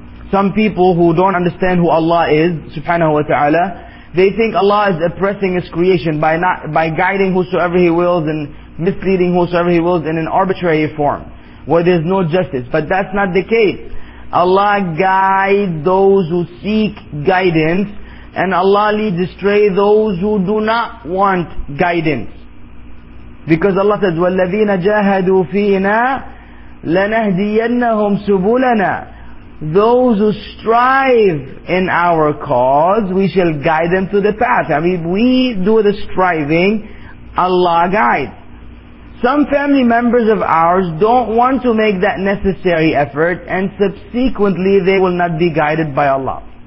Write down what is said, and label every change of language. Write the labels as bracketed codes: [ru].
[en] Some people who don't understand who Allah is, subhanahu wa ta'ala, they think Allah is oppressing His creation by guiding whosoever He wills and misleading whosoever He wills in an arbitrary form where there's no justice. But that's not the case. Allah guides those who seek guidance, and Allah leads astray those who do not want guidance. Because Allah says, [ar] وَالَّذِينَ جَاهَدُوا فِينَا لَنَهْدِيَنَّهُمْ سُبُولَنَا. [en] Those who strive in our cause, we shall guide them to the path. I mean, we do the striving, Allah guides. Some family members of ours don't want to make that necessary effort, and subsequently they will not be guided by Allah.